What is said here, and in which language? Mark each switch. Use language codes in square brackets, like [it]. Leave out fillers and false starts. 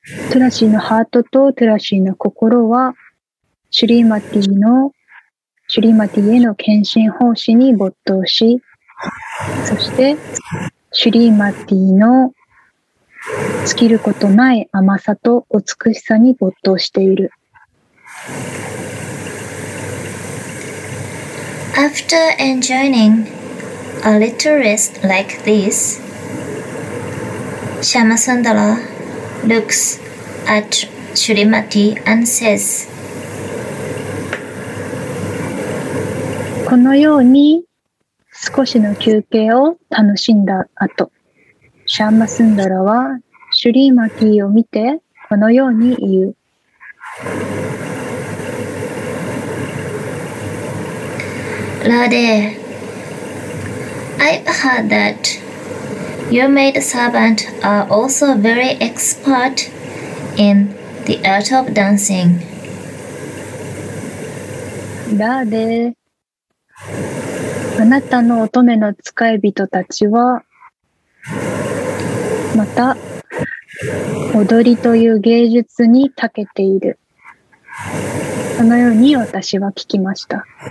[ja] トラシーのハートとトラシーの心は、シュリーマティへの献身奉仕に没頭し、そして、シュリーマティの尽きることない甘さと美しさに没頭している。 [en] After enjoying a little rest like this, Shyamasundara looks at Shrimati and says, [ja] このように少しの休憩を楽しんだ後、シャーマスンダラはシュリーマティを見てこのように言う。 [en] Radhe, I've heard that your maid servant are also very expert in the art of dancing. [ja] Radhe, あなたの乙女の使い人たちはまた踊りという芸術に長けている。このように私は聞きました。